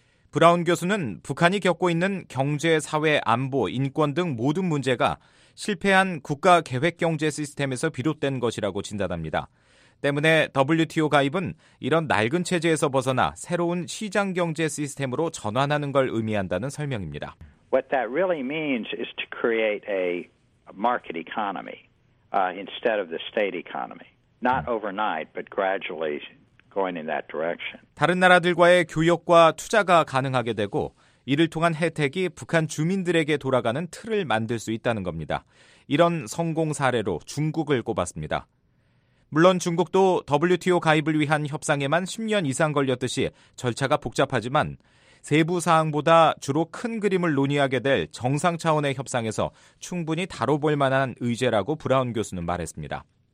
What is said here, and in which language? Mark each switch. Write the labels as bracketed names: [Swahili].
[Korean] 브라운 교수는 북한이 겪고 있는 경제, 사회, 안보, 인권 등 모든 문제가 실패한 국가 계획 경제 시스템에서 비롯된 것이라고 진단합니다. 때문에 WTO 가입은 이런 낡은 체제에서 벗어나 새로운 시장 경제 시스템으로 전환하는 걸 의미한다는 설명입니다. [English] What that really means is to create a market economy instead of the state economy. Not overnight, but gradually going in that direction. [Korean] 다른 나라들과의 교역과 투자가 가능하게 되고 이를 통한 혜택이 북한 주민들에게 돌아가는 틀을 만들 수 있다는 겁니다. 이런 성공 사례로 중국을 꼽았습니다. 물론 중국도 WTO 가입을 위한 협상에만 10년 이상 걸렸듯이 절차가 복잡하지만 세부 사항보다 주로 큰 그림을 논의하게 될 정상 차원의 협상에서 충분히 다뤄볼 만한 의제라고 브라운 교수는 말했습니다.